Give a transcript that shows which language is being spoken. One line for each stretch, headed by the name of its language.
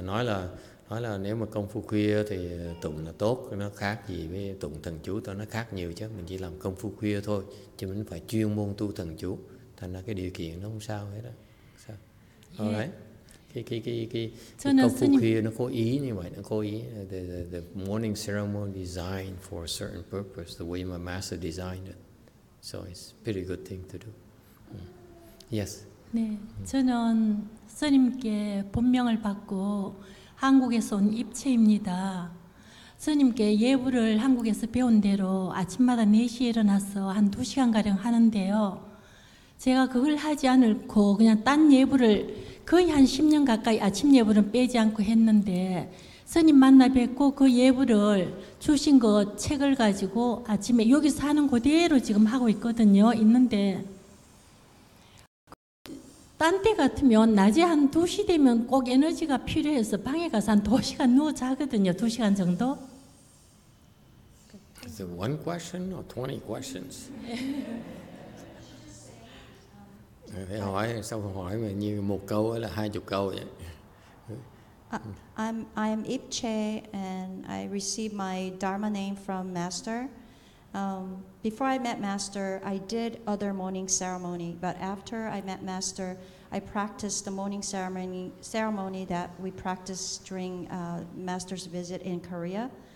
Vietnamese: Nói là nếu mà công phu khuya thì tụng là tốt, nó khác gì với tụng thần chú, tụi nó khác nhiều chứ. Mình chỉ làm công phu khuya thôi, chứ mình phải chuyên môn tu thần chú. Thành ra cái điều kiện nó không sao hết đó. Sao?
English: Yeah. All right. The morning ceremony designed for a certain purpose, the way my master designed it. So it's a pretty good thing to do. Yes.
Korean: 네, 저는 스님께 본명을 받고 한국에서 온 입체입니다. 스님께 예불을 한국에서 배운 대로 아침마다 4시에 일어나서 한 2시간가량 하는데요. 제가 그걸 하지 않고 그냥 딴 예불을 거의 한 10년 가까이 아침 예불은 빼지 않고 했는데 스님 만나 뵙고 그 예불을 주신 그 책을 가지고 아침에 여기서 하는 그대로 지금 하고 있거든요. 있는데 딴 때 같으면 낮에 한 2시 되면 꼭 에너지가 필요해서 방에 가서 한 2시간 누워 자거든요. 2시간 정도.
English: Is it one question or 20 questions?
Vietnamese: Hỏi sau hỏi mà như một câu là 20 câu vậy.
English: I'm Ipche and I received my Dharma name from Master. Before I met Master, I did other morning ceremony. But after I met Master, I practiced the morning ceremony that we practiced during Master's visit in Korea.